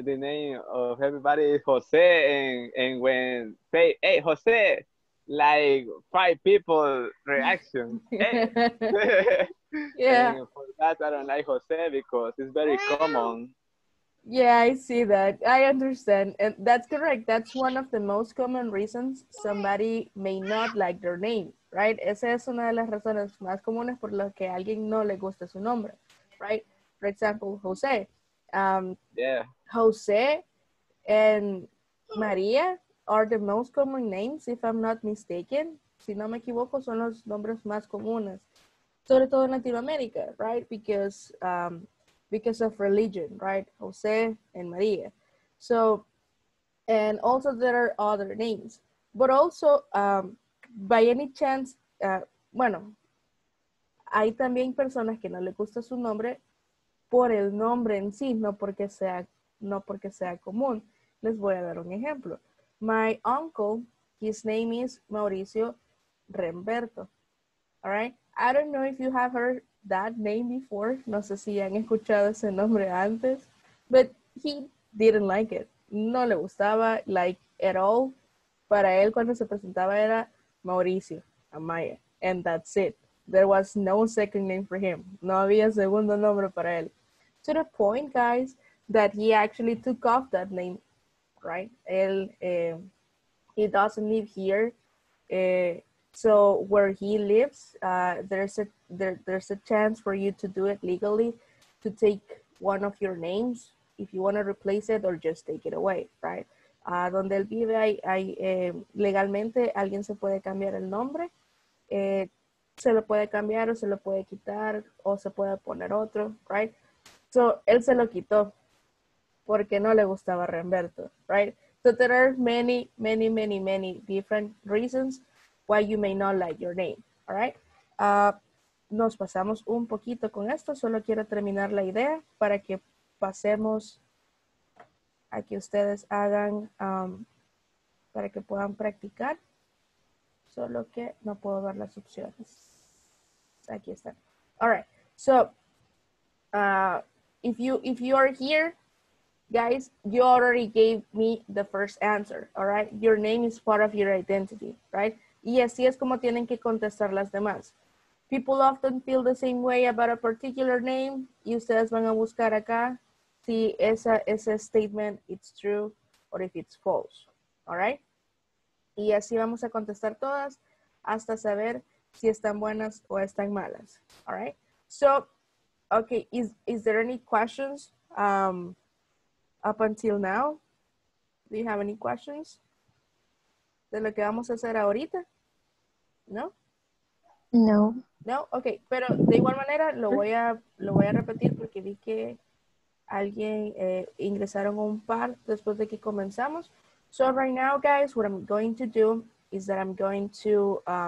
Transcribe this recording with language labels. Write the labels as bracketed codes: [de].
[en] The name of everybody is Jose, and when say, hey, Jose, like five people reaction. Yeah. And for that, I don't like Jose because it's very common. Yeah, I see that. I understand. And that's correct. That's one of the most common reasons somebody may not like their name, right? [es] Esa es una de las razones más comunes por las que a alguien no le gusta su nombre, right? [en] For example, Jose. Yeah. Jose and Maria are the most common names, if I'm not mistaken. [es] Si no me equivoco, son los nombres más comunes. Sobre todo en Latinoamérica, right? [en] Because of religion, right? Jose and Maria. So, and also there are other names. But also, by any chance, [es] bueno, hay también personas que no le gusta su nombre por el nombre en sí, no porque sea común. Les voy a dar un ejemplo. [en] My uncle, his name is Mauricio Remberto. All right? I don't know if you have heard that name before. [es] No sé si han escuchado ese nombre antes. [en] But he didn't like it. [es] No le gustaba, [en] like, at all. [es] Para él, cuando se presentaba, era Mauricio Amaya. [en] And that's it. There was no second name for him. [es] No había segundo nombre para él. [en] To the point, guys, that he actually took off that name, right? Él, he doesn't live here. So where he lives, there's a chance for you to do it legally, to take one of your names if you want to replace it or just take it away, right? [es] Donde él vive, legalmente alguien se puede cambiar el nombre. Se lo puede cambiar o se lo puede quitar o se puede poner otro, right? So, él se lo quitó porque no le gustaba Remberto, right? [en] So, there are many different reasons why you may not like your name, all right? [es] Nos pasamos un poquito con esto. Solo quiero terminar la idea para que pasemos a que ustedes hagan, para que puedan practicar. Solo que no puedo ver las opciones. Aquí está. [en] All right. So, if you are here, guys, you already gave me the first answer. All right. Your name is part of your identity, right? [es] Y así es como tienen que contestar las demás. [en] People often feel the same way about a particular name. [es] Y ustedes van a buscar acá si ese [en] statement it's true or if it's false. All right. [es] Y así vamos a contestar todas hasta saber si están buenas o están malas, all right? [en] So, okay, is there any questions up until now? Do you have any questions? [es] ¿De lo que vamos a hacer ahorita? No? No. No? Okay, pero de igual manera lo voy a repetir porque vi que alguien ingresaron un par después de que comenzamos. [en] So right now, guys, what I'm going to do is that I'm going to...